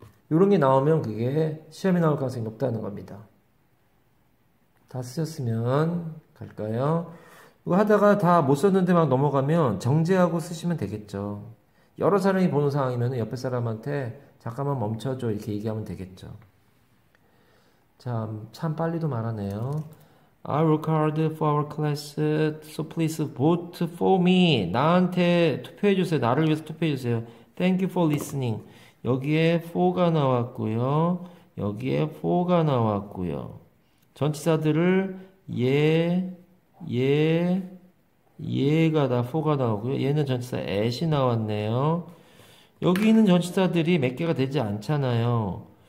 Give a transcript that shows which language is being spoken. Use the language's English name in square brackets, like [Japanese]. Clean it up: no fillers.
[Korean] 이런 게 나오면 그게 시험에 나올 가능성이 높다는 겁니다. 다 쓰셨으면 갈까요? 이거 하다가 다못 썼는데 막 넘어가면 정지하고 쓰시면 되겠죠. 여러 사람이 보는 상황이면 옆에 사람한테 잠깐만 멈춰줘 이렇게 얘기하면 되겠죠. 참 빨리도 말하네요. [English] I worked for our class, so please vote for me. [Korean] 나한테 투표해주세요. 나를 위해서 투표해주세요. [English] Thank you for listening. [Korean] 여기에 for가 나왔고요. 여기에 for가 나왔고요. 전치사들을 얘가 다 for가 나오고요. 얘는 전치사 at이 나왔네요. 여기 있는 전치사들이 몇 개가 되지 않잖아요.